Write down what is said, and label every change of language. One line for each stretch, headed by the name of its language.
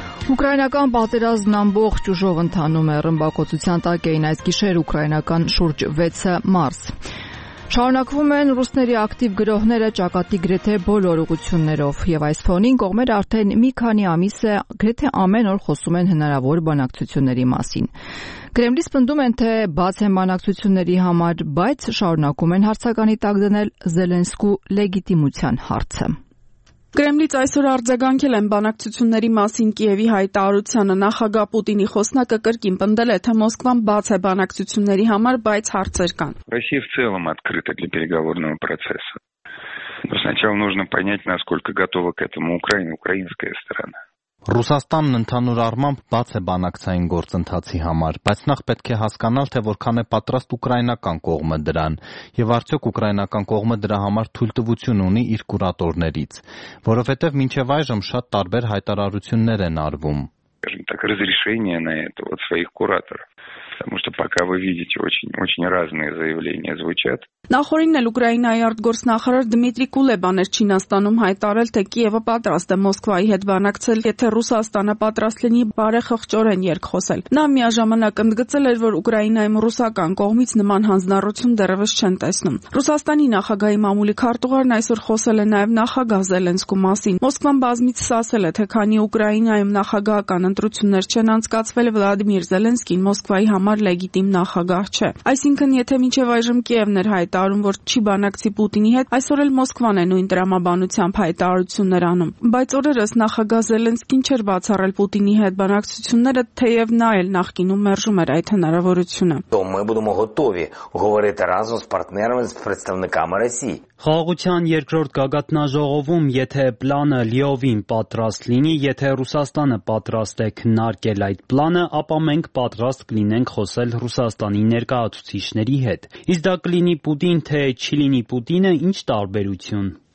Armenian: Ուկրաինական պատերազմն ամբողջ ուժով ընթանում է, ռմբակոծության տակ էին այս գիշեր ուկրաինական շուրջ 6 մարս։ Շարունակվում են ռուսների ակտիվ գրոհները ճակատի գրեթե բոլոր ուղություններով, և այս ֆոնին կողմերը արդեն մի քանի ամիս է գրեթե ամեն օր խոսում են հնարավոր բանակցությունների մասին։ Կրեմլին սպնդում են, թե բաց են բանակցությունների համար, բայց շարունակում են հարցականի տակ դնել Զելենսկու լեգիտիմության հարցը։ Կրեմլից այսօր արձագանքել են բանակցությունների մասին Կիևի հայտարարությանը։ Նախագահ Պուտինի խոսնակը կրկին պնդել է, թե Մոսկվան բաց է բանակցությունների համար, բայց հարցեր կան։
Russian: Ռուսիա в целом открыта для переговорного процесса. Но сначала нужно понять, насколько готова к этому Украина, украинская сторона.
Armenian: Ռուսաստանն ընդհանուր առմամբ բաց է բանակցային գործընթացի համար, բայց նախ պետք է հասկանալ, թե որքան է պատրաստ ուկրաինական կողմը դրան, և արդյոք ուկրաինական կողմը դրա համար թույլտվություն ունի իր կուրատորներից, որովհետև մինչև այժմ շատ տարբեր հայտարարություններ են արվում։
Russian: Разрешение на это от своих кураторов. Потому что пока вы видите, очень разные заявления звучат.
Armenian: Նախորդին Ուկրաինայի արտգործնախարար Դմիտրի Կուլեբան էր Չինաստանում հայտարել, թե Կիևը պատրաստ է Մոսկվայի հետ բանակցել, եթե Ռուսաստանը պատրաստ լինի բարեխղճորեն երկխոսել։ Նա միաժամանակ ընդգծել էր, որ Ուկրաինայում ռուսական կողմից նման հանձնառություն դեռևս չեն տեսնում։ Ռուսաստանի նախագահի մամուլի քարտուղարն այսօր խոսել է նաև նախագահ Զելենսկու մասին։ Մոսկվան բազմից ասել է, թե քանի Ուկրաինայում նախագահական ընտրություններ չեն անցկացվել, Վլադիմիր Զելենսկին Մոսկվայի համար լեգիտիմ նախագահ չէ։ Այսինքն, եթե մինչև այժմ Կիևն էր հայտարարում, որ չի բանակցի Պուտինի հետ, այսօր էլ Մոսկվան է նույն տրամաբանությամբ հայտարարություններ անում։ Բայց օրերս նախագահ Զելենսկին չէր բացառել Պուտինի հետ բանակցությունները, թեև նա էլ նախկինում մերժում էր այդ հնարավորությունը։ Մենք
Russian: будем готовы говорить разом с партнерами, с представниками России.
Armenian: Խաղաղության երկրորդ գագաթնաժողովում, եթե պլանը լիովին պատրաստ լինի, եթե Ռուսաստանը պատրաստ է քննարկել այդ պլանը, ապա մենք պատրաստ կլինենք խոսել Ռուսաստանի ներկայացուցիչների հետ։ Իսկ դա կլինի Պուտին, թե չլինի Պուտինը, ինչ տարբերություն։